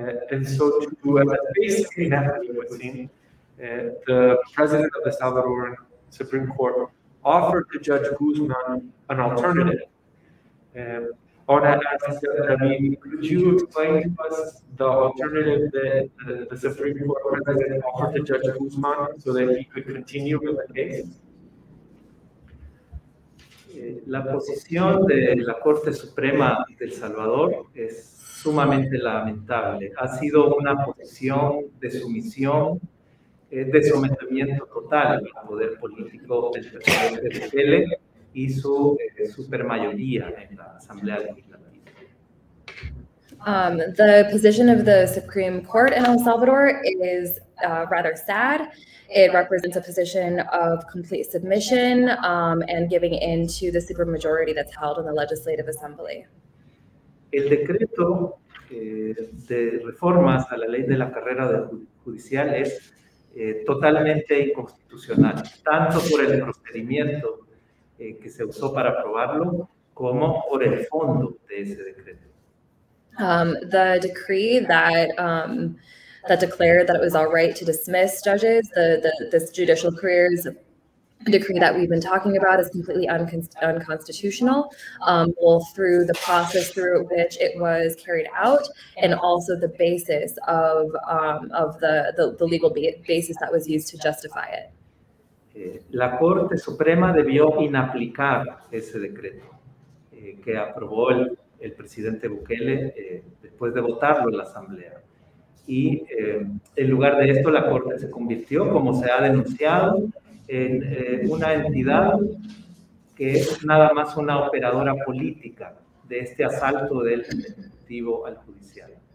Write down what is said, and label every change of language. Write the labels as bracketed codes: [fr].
[en] And so to face inevitably what seemed, the president of the Salvadoran Supreme Court offered to Judge Guzman an alternative. Could you explain to us the alternative that the Supreme Court president offered to Judge Guzman so that he could continue with the case? [es] La posición de la Corte Suprema del Salvador es sumamente lamentable. Ha sido una posición de sumisión, de sometimiento total al poder político del presidente Bukele y su supermayoría en la Asamblea Legislativa. [en] The position of the Supreme Court in El Salvador is rather sad. It represents a position of complete submission and giving in to the supermajority that's held in the Legislative Assembly. [es] El decreto de reformas a la ley de la carrera judicial es totalmente inconstitucional, tanto por el procedimiento que se usó para aprobarlo como por el fondo de ese decreto. [en] The decree that that declared that it was all right to dismiss judges, this judicial careers decree that we've been talking about, is completely unconstitutional, both through the process through which it was carried out and also the basis of the legal basis that was used to justify it. [es] La Corte Suprema debió inaplicar ese decreto que aprobó el presidente Bukele después de votarlo en la Asamblea. Y en lugar de esto, la Corte se convirtió, como se ha denunciado, en una entidad que es nada más una operadora política de este asalto del ejecutivo al judicial.